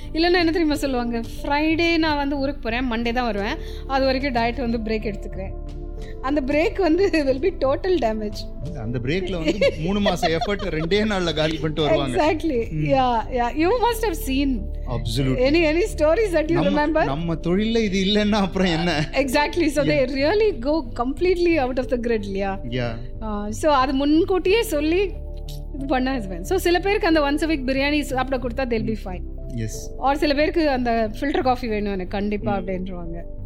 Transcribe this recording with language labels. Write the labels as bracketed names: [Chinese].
[Tamil] இல்லைன்னா என்ன தெரியுமா சொல்லுவாங்க, ஃப்ரைடே நான் வந்து ஊருக்கு போறேன், மண்டே தான் வருவேன், அது வரைக்கும் டயட் வந்து பிரேக் எடுத்துக்கிறேன். அந்த பிரேக் வந்து [English] will be total damage. [Tamil] அந்த பிரேக்ல வந்து 3 மாச எஃபோர்ட் ரெண்டே நாள்ல காலி பண்ணிட்டு வருவாங்க. [English] Exactly. Yeah yeah you must have seen absolutely any stories that you remember. [Tamil] நம்ம தொழில்ல இது இல்லன்னா அப்புறம் என்ன? [English] Exactly. so they really go completely out of the grid. Yeah yeah. [Tamil] so அது முன்கூட்டியே சொல்லி இது பண்ண வேண்டியது. so சில பேருக்கு அந்த [English] once a week [Tamil] பிரியாணி சாப்பிட கொடுத்தா [English] they'll be fine. yes. [Tamil] or சில பேருக்கு அந்த ஃபில்டர் காபி வேணும் எனக்கு கண்டிப்பா அப்படின்றவங்க.